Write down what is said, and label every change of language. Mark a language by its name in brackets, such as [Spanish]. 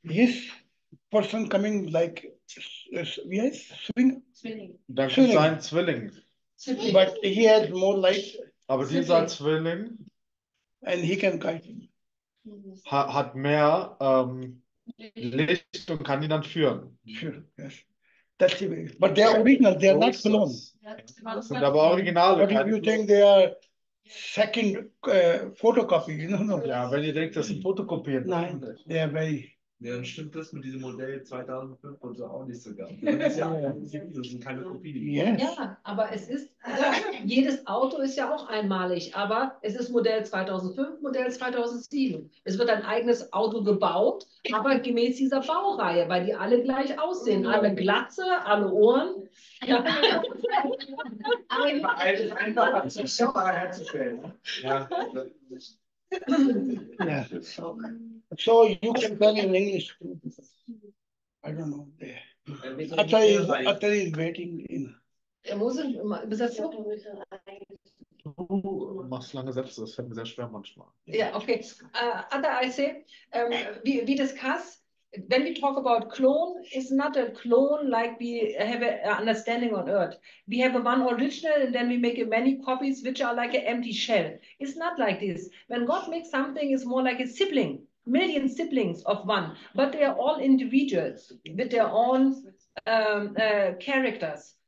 [English] His person coming like, [German] wie heißt es? [English] Swing? [German] Da ist sein Zwilling. [English] But he has more light. [German] Aber dieser Zwilling. [English] And he can guide him. [German] Hat mehr Licht und kann ihn dann führen. [English] Sure, yes. That's the, but they are original, they are not clones. [German] Sind aber Originale. [English] But if you think they are second photocopy, no, no. [German] Ja, wenn ihr denkt, das sind Fotokopien. [English] Nein, they are very. [German] Ja, dann stimmt das mit diesem Modell 2005 und so auch nicht sogar. Das sind keine Kopien. Yes. Ja, aber es ist, jedes Auto ist ja auch einmalig, aber es ist Modell 2005, Modell 2007. Es wird ein eigenes Auto gebaut, aber gemäß dieser Baureihe, weil die alle gleich aussehen. Alle Glatze, alle Ohren. Ja. Aber es ist einfach, um es herzustellen. Ja. [English] Yeah. So you can tell in English too. I don't know. Atari is waiting in. [German] Du machst lange Sätze, das fällt mir sehr schwer manchmal. [English] Ja, yeah, okay. Other I say, we discuss, when we talk about clone, it's not a clone like we have an understanding on Earth. We have a one original and then we make a many copies which are like an empty shell. It's not like this. When God makes something, it's more like a sibling, million siblings of one, but they are all individuals with their own characters.